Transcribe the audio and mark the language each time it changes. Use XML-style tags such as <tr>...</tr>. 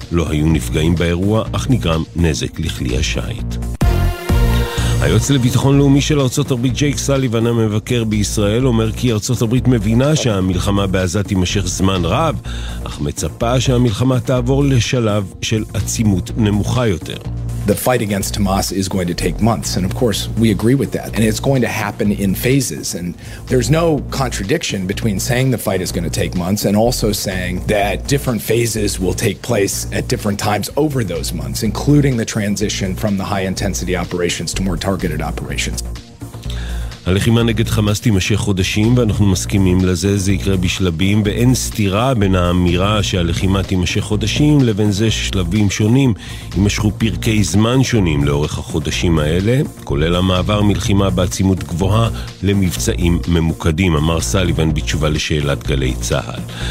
<he>לא היו נפגעים באירוע, אך נגרם נזק לכלי השיט. היועץ לביטחון לאומי של ארצות הברית ג'ייק סליבן, המבקר בישראל, אומר כי ארצות הברית מבינה שהמלחמה בעזה תימשך זמן רב, אך מצפה שהמלחמה תעבור לשלב של עצימות נמוכה יותר.</he> <en>The fight against Hamas is going to take months, and of course we agree with that, and it's going to happen in phases, and there's no contradiction between saying the fight is going to take months and also saying that different phases will take place at different times over those months, including the transition from the high intensity operations to more targeted operations.</en> <he>הלחימה נגד חמאס תימשך חודשים ואנחנו מסכימים לזה, זה יקרה בשלבים, ואין סתירה בין האמירה שהלחימה תימשך חודשים לבין זה ששלבים שונים יימשכו פרקי זמן שונים לאורך החודשים האלה, כולל המעבר מלחימה בעצימות גבוהה למבצעים ממוקדים, אמר סליבן בתשובה לשאלת גלי צהל.</he>